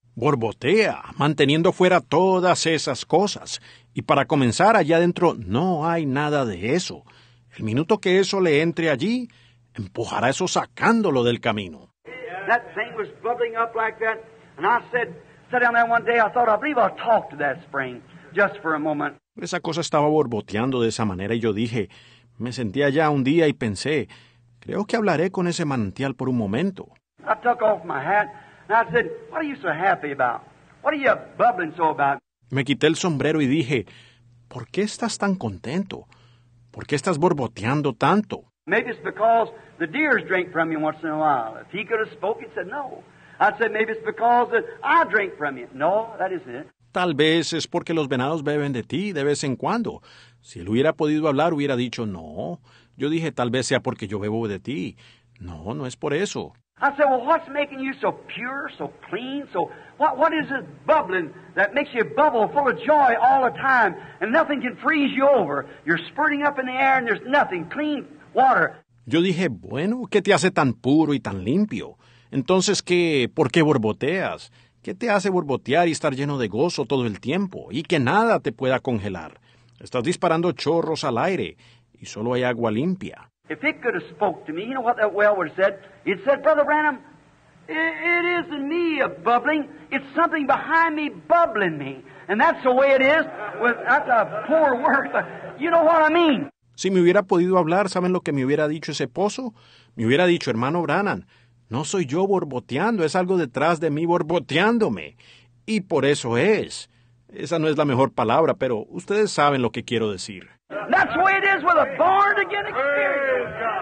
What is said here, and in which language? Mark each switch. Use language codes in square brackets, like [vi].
[es] Borbotea, manteniendo fuera todas esas cosas. Y para comenzar, allá adentro no hay nada de eso. El minuto que eso le entre allí, empujará eso sacándolo del camino. [en] That thing was bubbling up like that, and I said, sat down there one day, I thought, I believe I'll talk to that spring, just for a moment. [es] Esa cosa estaba borboteando de esa manera y yo dije, me sentí allá un día y pensé, creo que hablaré con ese manantial por un momento. [en] I took off my hat and I said, what are you so happy about? What are you bubbling so about? [es] Me quité el sombrero y dije, ¿por qué estás tan contento? ¿Por qué estás borboteando tanto? [en] Maybe it's because the deers drink from you once in a while. If he could have spoken, he said no. I said, maybe it's because I drink from you. No, that isn't it. [es] Tal vez es porque los venados beben de ti de vez en cuando. Si él hubiera podido hablar, hubiera dicho, no. Yo dije, tal vez sea porque yo bebo de ti. No, no es por eso. [en] I said, well, what's making you so pure, so clean, so... What is this bubbling that makes you bubble full of joy all the time and nothing can freeze you over? You're spurting up in the air and there's nothing, clean water. [es] Yo dije, bueno, ¿qué te hace tan puro y tan limpio? Entonces, ¿qué? ¿Por qué borboteas? ¿Qué te hace borbotear y estar lleno de gozo todo el tiempo y que nada te pueda congelar? Estás disparando chorros al aire y solo hay agua limpia. [en] If it could have spoke to me, you know what that well word said? It said, Brother Branham, it isn't me a bubbling. It's something behind me bubbling me. And that's the way it is. Well, that's a poor word, but you know what I mean. [es] Si me hubiera podido hablar, ¿saben lo que me hubiera dicho ese pozo? Me hubiera dicho, hermano Branham, no soy yo borboteando, es algo detrás de mí borboteándome. Y por eso es. Esa no es la mejor palabra, pero ustedes saben lo que quiero decir. [en] That's the way it is with a born again experience.